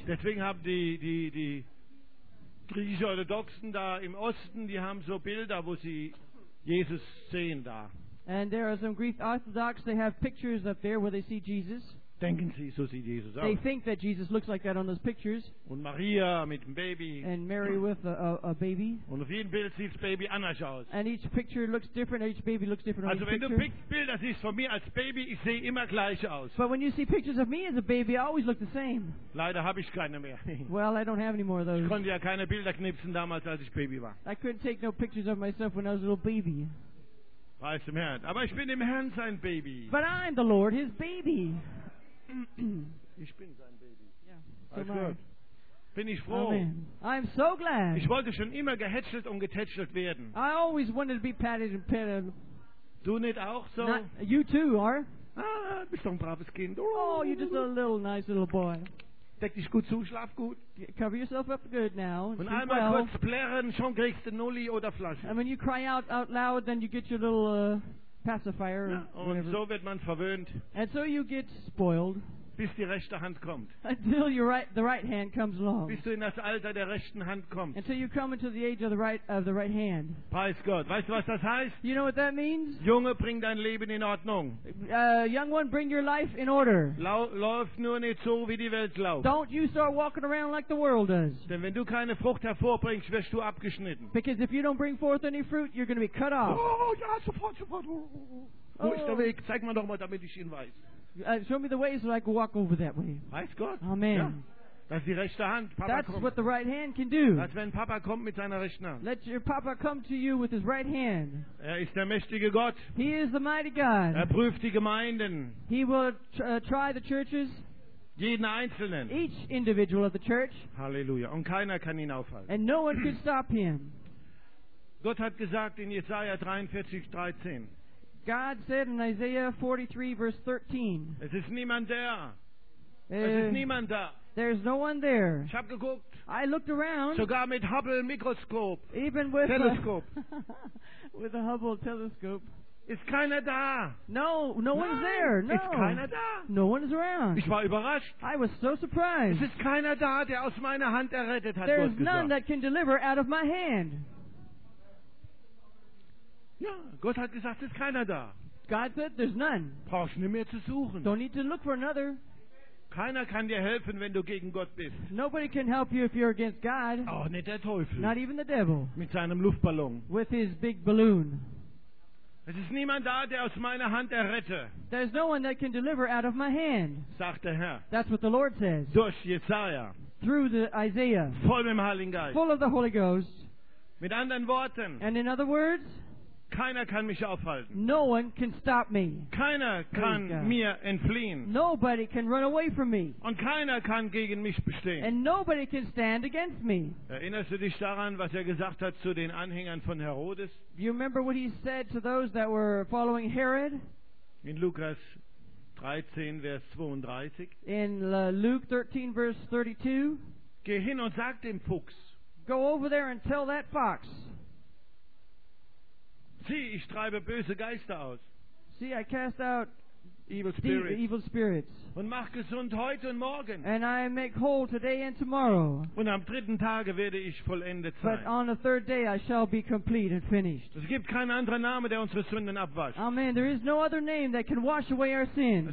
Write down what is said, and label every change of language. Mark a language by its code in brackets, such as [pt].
[de] Deswegen haben die griechische Orthodoxen da im Osten, die haben so Bilder, wo sie Jesus sehen da. [en] And there are some Greek Orthodox, they have pictures up there where they see Jesus. [de] Denken sie, so sieht Jesus [en] they [de] aus. [en] Think that Jesus looks like that on those pictures. [de] Und Maria mit dem Baby. [en] And Mary with a baby. [de] Und auf jedem Bild sieht das Baby anders aus. [en] And each picture looks different, each baby looks different [de] also [en] on [de] wenn [en] picture. [de] Du Bilder siehst von mir als Baby, ich sehe immer gleich aus. [en] But when you see pictures of me as a baby, I always look the same. [de] Leider habe ich keine mehr. [en] Well, I don't have any more of those. [de] Ich konnte ja keine Bilder knipsen damals, als ich Baby war. [en] I couldn't take no pictures of myself when I was a little baby. [de] Weiß im Herrn. Aber ich bin im Herrn sein Baby. [en] But I'm the Lord, His baby. [de] Ich bin sein Baby. [en] Yeah, so [de] bin ich froh. [en] Amen. I'm so glad. [de] Ich wollte schon immer gehätschelt und getätschelt werden. [en] I always wanted to be patted and petted. [de] Du nicht auch so? [en] You too, are? [de] Ah, bist doch ein braves Kind. [en] Oh, you're just a little nice little boy. [de] Deck dich gut zu, schlaf gut. [en] Cover yourself up good now. [de] Und einmal kurz [en] well. [de] Plärren, schon kriegst du Nulli oder Flasche. [en] And when you cry out loud, then you get your little... pacifier [de] ja, und so wird man verwöhnt. [en] And so you get spoiled. [de] Bis die rechte Hand kommt. [en] Until the right hand comes along. [de] Bis du in das Alter der rechten Hand kommst. [en] Until you come into the age of the right hand. [de] Preis Gott. Weißt du, was das heißt? [en] You know what that means? [de] Junge, bring dein Leben in Ordnung. [en] Young one, bring your life in order. [de] Lauf nur nicht so, wie die Welt läuft. [en] Don't you start walking around like the world does. [de] Denn wenn du keine Frucht hervorbringst, wirst du abgeschnitten. [en] Because if you don't bring forth any fruit, you're going to be cut off. [de] Oh, ja, sofort. Oh. Wo ist der Weg? Zeig mir doch mal, damit ich ihn weiß. [en] Show me the way so I can walk over that way. [de] Weiß Gott. Amen. Ja. Das ist die rechte Hand. Papa [en] that's [de] kommt. [en] What the right hand can do. [de] Das wenn Papa kommt mit seiner rechten Hand. [en] Let your Papa come to you with his right hand. [de] Er ist der mächtige Gott. [en] He is the mighty God. [de] Er prüft die Gemeinden. [en] He will try the churches. [de] Jeden Einzelnen. [en] Each individual of the church. [de] Halleluja. Und keiner kann ihn aufhalten. [en] And no one can stop him. [de] Gott hat gesagt in Jesaja 43, 13. [en] God said in Isaiah 43, verse 13. [de] Es ist niemand da. Es ist niemand da. [en] There's no one there. [de] Ich hab geguckt. [en] I looked around. [de] Sogar mit Hubble Mikroskop. [en] Even with telescope. with a Hubble telescope. [de] Ist keiner da. [en] No one's there. No. [de] Ist keiner da. [en] No one's around. [de] Ich war überrascht. [en] I was so surprised. [de] Es ist keiner da, der aus meiner Hand errettet hat. [en] There's none that can deliver out of my hand. [de] Ja, Gott hat gesagt, es ist keiner da. [en] God said, there's none. [de] Brauchst nicht mehr zu suchen. [en] Don't need to look for another. [de] Keiner kann dir helfen, wenn du gegen Gott bist. [en] Nobody can help you if you're against God. [de] Oh, nicht der Teufel. [en] Not even the devil. [de] Mit seinem Luftballon. [en] With his big balloon. [de] Es ist niemand da, der aus meiner Hand errette. [en] There's no one that can deliver out of my hand. [de] Sagt der Herr. [en] That's what the Lord says. [de] Durch Jesaja. [en] Through the Isaiah. [de] Voll mit dem Heiligen Geist. [en] Full of the Holy Ghost. [de] Mit anderen Worten. [en] And in other words. [de] Keiner kann mich aufhalten. [en] No one can stop me. [de] Keiner kann mir entfliehen. [en] Nobody can run away from me. [de] Und keiner kann gegen mich bestehen. [en] And nobody can stand against me. [de] Erinnerst du dich daran, was gesagt hat zu den Anhängern von Herodes? [en] Do you remember what he said to those that were following Herod? [de] In Lukas 13, Vers 32. [en] In Luke 13, Verse 32. [de] Geh hin und sag dem Fuchs. [en] Go over there and tell that fox. [de] Sieh, ich treibe böse Geister aus. [en] See, I cast out evil spirits. Evil spirits. [de] Und mach gesund heute und morgen. [en] And I make whole today and tomorrow. [de] Und am dritten Tage werde ich vollendet sein. [en] But on the third day I shall be complete and finished. [de] Es gibt keinen anderen Namen, der unsere Sünden abwascht. Amen. [en] There is no other name that can wash away our sins.